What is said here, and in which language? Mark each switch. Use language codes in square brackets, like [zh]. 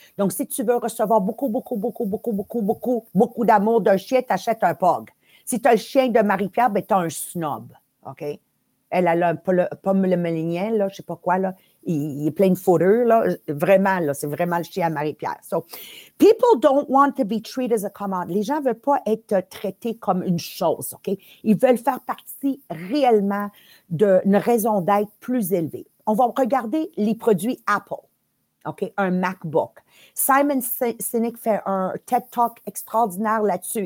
[fr] Donc, si tu veux recevoir beaucoup, beaucoup, beaucoup, beaucoup, beaucoup, beaucoup, beaucoup d'amour d'un chien, t'achètes un POG. Si tu as le chien de Marie-Pierre, ben tu as un snob, OK? Elle a le millénien, là, je sais pas quoi, là. Il est plein de fourrure, là. Vraiment, là, c'est vraiment le chien à Marie-Pierre. [en] So, people don't want to be treated as a commodity. [fr] Les gens ne veulent pas être traités comme une chose, OK? Ils veulent faire partie réellement d'une raison d'être plus élevée. On va regarder les produits Apple. OK, un MacBook. Simon Sinek fait un TED Talk extraordinaire là-dessus.